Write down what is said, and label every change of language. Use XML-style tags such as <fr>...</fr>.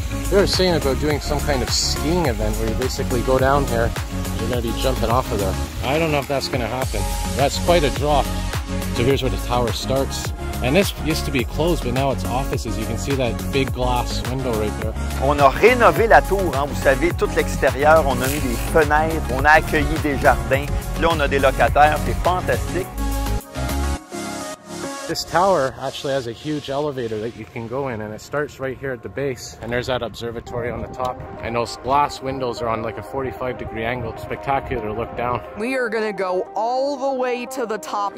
<en>They were saying about doing some kind of skiing event where you basically go down here, you're going to be jumping off of there. I don't know if that's going to happen. That's quite a drop. So here's where the tower starts. And this used to be closed, but now it's offices. You can see that big glass window right there.</en> <fr>On a rénové la tour, hein. Vous savez, tout l'extérieur, on a mis des fenêtres, on a accueilli des jardins. Puis là, on a des locataires. C'est fantastique.</fr> <en>This tower actually has a huge elevator that you can go in, and it starts right here at the base, and there's that observatory on the top, and those glass windows are on like a 45 degree angle. Spectacular look down. We are gonna go all the way to the top.</en>